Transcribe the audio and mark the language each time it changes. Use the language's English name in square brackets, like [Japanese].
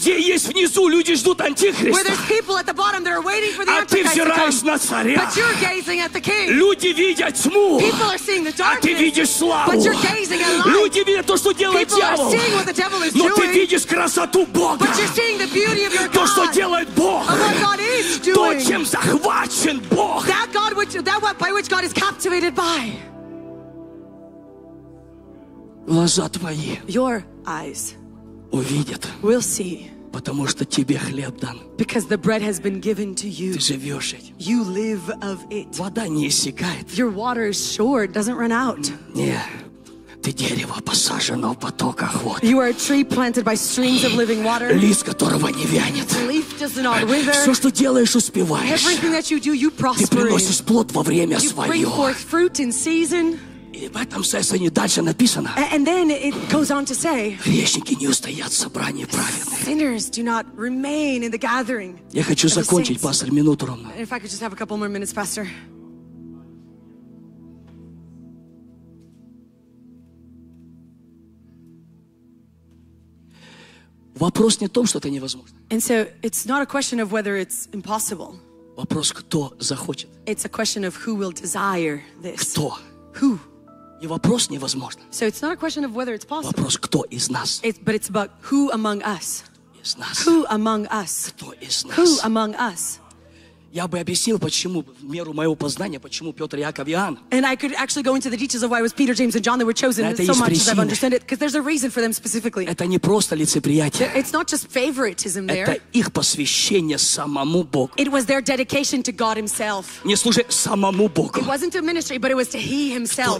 [Russian] Где есть внизу люди ждут антихриста. [English] Where there's people at the bottom that are waiting for the antichrist. [Russian] А ты взираешь на царя. [English] But you're gazing at the king. [Russian] Люди видят тьму. [English] People are seeing the darkness. [Russian] А ты видишь славу. [English] But you're gazing [Russian] Люди видят то, что делает [English] People [Russian] дьявол. Но ты видишь красоту Бога. То, что делает Бог. То, чем захвачен Бог. [English] That God which, that by which God is captivated by. [Russian] Глаза твои [English] Your eyes [Russian] увидят. [English] Will see. [Russian] Потому что тебе хлеб дан. [English] Because the bread has been given to you. [Russian] Ты живешь этим. [English] You live of it. [Russian] Вода не иссякает. [English] Your water is sure, it doesn't run out. [Russian] Нет. Ты дерево посажено в потоках вод. [English] You are a tree planted by streams of living water. [Russian] Лист которого не вянет. [English] Leaf does not wither. [Russian] Все, что делаешь, успеваешь. [English] Everything that you do, you prosper. [Russian] Ты приносишь плод во время свое. [English] You bring forth fruit in season. [Russian] И в этом сессии дальше написано. [English] And then it goes on to say. [Russian] Грешники не устоят в собрании праведных. [English] Sinners do not remain in the gathering. [Russian] Я хочу закончить, пастор, минуту ровно. [English] If I could just have a couple more minutes, pastor. [Russian] Вопрос не в том, что это невозможно. [English] And so it's not a question of whether it's impossible. [Russian] Вопрос, кто захочет. [English] It's a question of who will desire this. [Russian] Кто? [English] Who? [Russian] И вопрос невозможен. [English] So it's not a question of whether it's possible. [Russian] Вопрос, кто из нас? [English] But it's about who among us. [Russian] Из нас. [English] Who among us? [Russian] Кто из нас? [English] Who among us? [Russian] Я бы объяснил, почему, в меру моего познания, почему Петр, Яков, Иоанн. [English] And I could actually go into the details of why it was Peter, James, and John that were chosen so much [Russian] причины. [English] As I've understood it, because there's a reason for them specifically. [Russian] Это не просто лицеприятие. [English] It's not just favoritism there. [Russian] Это их посвящение самому Богу. [English] It was their dedication to God himself. [Russian] Не служи самому Богу. [English] It wasn't a ministry, but it was to he himself.